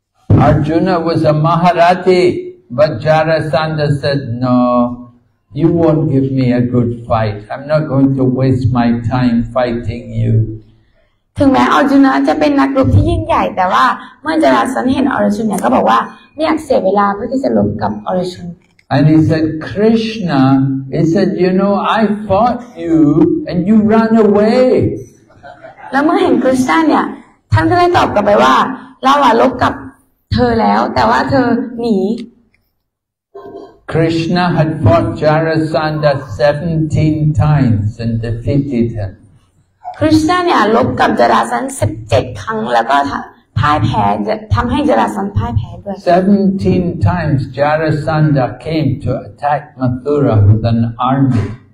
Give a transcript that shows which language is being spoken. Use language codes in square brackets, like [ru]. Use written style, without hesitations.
[en] Arjuna was a Maharathi, but Jarasandha said, no, you won't give me a good fight. I'm not going to waste my time fighting you. [th] ถึงแม้อาร์จุนะจะเป็นนักรบที่ยิ่งใหญ่แต่ว่าเมื่อจาราสันเห็นอาร์จุนเนี่ยก็บอกว่าไม่อยากเสียเวลาเพื่อที่จะรบกับอาร์จุน [en] And he said, Krishna, he said, you know, I fought you and you ran away. [th] แล้วเมื่อเห็นคริสต์เนี่ยท่านก็ได้ตอบกลับไปว่าเราอะรบกับเธอแล้วแต่ว่าเธอหนี [en] Krishna had fought Jarasandha 17 times and defeated him [th] Krishna เนี่ยลบกับจราสันธ์17ครั้งแล้วก็พ่ายแพ้ทำให้จราสันธ์พ่ายแพ้ด้วย [en] 17 times Jarasandha came to attack Mathura with an army